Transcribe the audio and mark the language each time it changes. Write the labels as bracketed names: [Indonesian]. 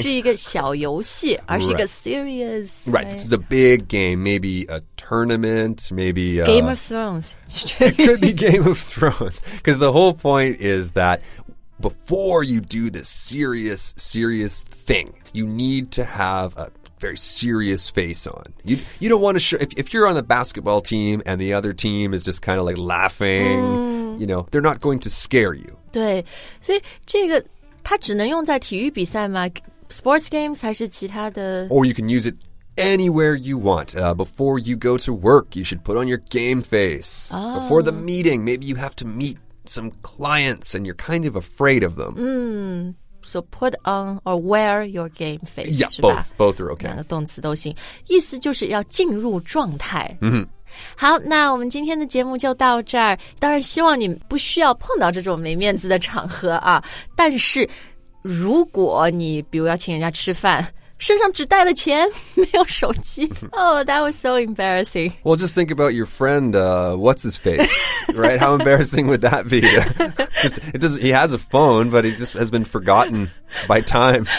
[Chinese] 不是一个小游戏，而是一个 serious. [English] Right, this is a big game. Maybe a tournament, maybe... Game of Thrones. It could be Game of Thrones. Because the whole point is that before you do this serious, serious thing, you need to have a very serious face on. You don't want to show... If you're on the basketball team and the other team is just kind of like laughing... You know, they're not going to scare you. [Chinese] 对，所以这个它只能用在体育比赛吗？ [English] Sports games [Chinese] 还是其他的？ [English] Or you can use it anywhere you want. Before you go to work, you should put on your game face. Oh. Before the meeting, maybe you have to meet some clients and you're kind of afraid of them. So put on or wear your game face. Yeah, both are okay. [Chinese] 两个动词都行，意思就是要进入状态。好，那我们今天的节目就到这儿。当然希望你不需要碰到这种没面子的场合啊。但是如果你比如要请人家吃饭，身上只带了钱，没有手机。 [English] Oh, that was so embarrassing. Well, just think about your friend, what's his face, right? How embarrassing would that be? he has a phone, but he just has been forgotten by time.